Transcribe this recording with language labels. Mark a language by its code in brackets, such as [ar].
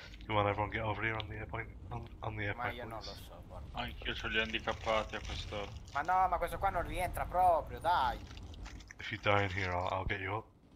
[en] Everyone get over here on the airpoint, on the airpoint. [it] Ma io non lo so, porco. Anch'io c'ho gli handicappati a quest'ora. Ma no, ma questo qua non rientra proprio, dai. [en] If you die in here, I'll get you up.